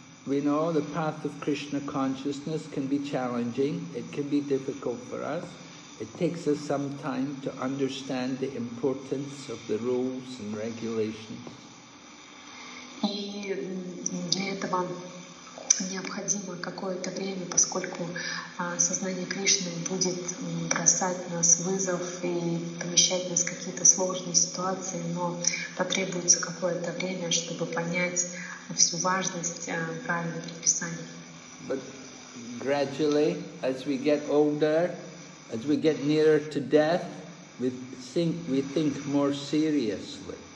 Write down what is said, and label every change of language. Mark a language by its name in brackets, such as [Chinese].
[English] We know the path of Krishna consciousness can be challenging, it can be difficult for us. It takes us some time to understand the importance of the rules and regulations. [Russian] И для этого необходимо какое-то время, поскольку сознание Кришны будет бросать нас вызов и помещать нас в какие-то сложные ситуации, но потребуется какое-то время, чтобы понять всю важность правильного предписания. [English] But gradually, as we get older, as we get nearer to death, we think more seriously.